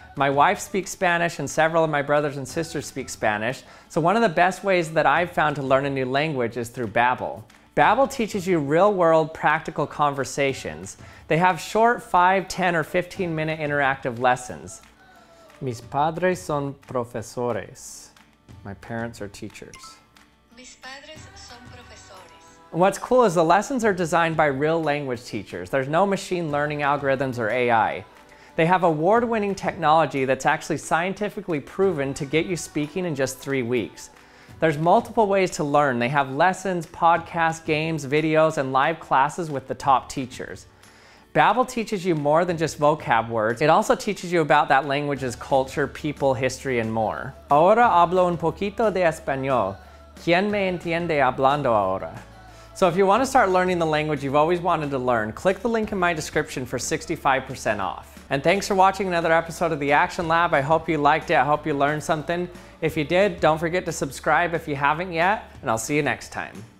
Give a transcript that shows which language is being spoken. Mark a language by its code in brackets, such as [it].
[en] My wife speaks Spanish and several of my brothers and sisters speak Spanish, so one of the best ways that I've found to learn a new language is through Babbel. Babbel teaches you real-world practical conversations. They have short 5, 10, or 15-minute interactive lessons. [es] Mis padres son profesores. [en] My parents are teachers. [es] Mis padres son profesores. [en] And what's cool is the lessons are designed by real language teachers. There's no machine learning algorithms or AI. They have award-winning technology that's actually scientifically proven to get you speaking in just 3 weeks. There's multiple ways to learn. They have lessons, podcasts, games, videos, and live classes with the top teachers. Babbel teaches you more than just vocab words. It also teaches you about that language's culture, people, history, and more. [es] Ahora hablo un poquito de español. ¿Quién me entiende hablando ahora? [en] So if you want to start learning the language you've always wanted to learn, click the link in my description for 65% off. And thanks for watching another episode of the Action Lab. I hope you liked it. I hope you learned something. If you did, don't forget to subscribe if you haven't yet, and I'll see you next time.